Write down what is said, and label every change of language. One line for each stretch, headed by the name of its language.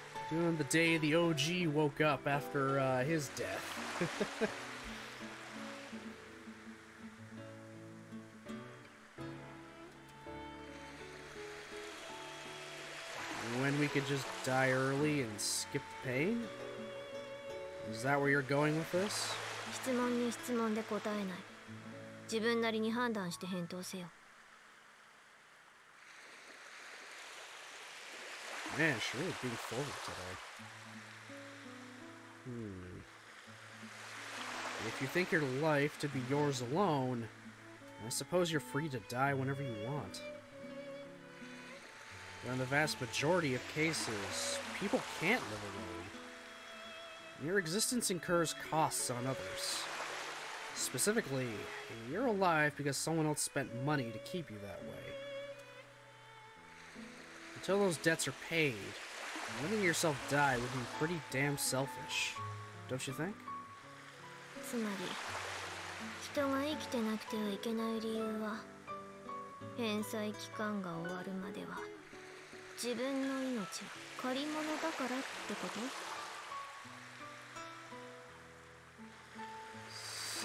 English: The day the OG woke up after his death. When we could just die early and skip the pain? Is that where you're going with this?
Japanese: 質問に質問で答えない。自分なりに判断して返答せよ。
English: Man, she's really being forward today. If you think your life to be yours alone, I suppose you're free to die whenever you want. But in the vast majority of cases, people can't live alone. Your existence incurs costs on others. Specifically, you're alive because someone else spent money to keep you that way. Until those debts are paid, letting yourself die would be pretty damn selfish, don't you think?
Japanese: つまり、人が生きてなくてはいけない理由は、返済期間が終わるまでは、自分の命は借り物だからってこと？